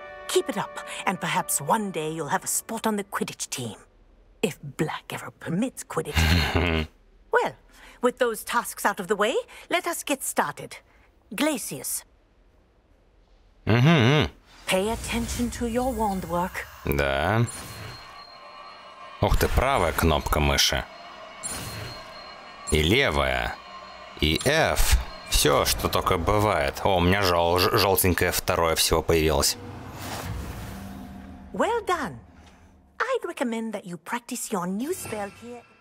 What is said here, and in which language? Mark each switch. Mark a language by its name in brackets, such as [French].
[English] Keep it up, and perhaps one day you'll have a spot on the Quidditch team. If Black ever permits Quidditch. Well, with those tasks out of the way, let us get started. Glacius. Mm-hmm. Pay attention to your wand work. [Russian] Да. Ух ты, правая кнопка мыши. И левая. И F. Все, что только бывает. О, у меня желтенькое второе всего появилось. [English] Well done. I'd recommend that you practice your new spell here.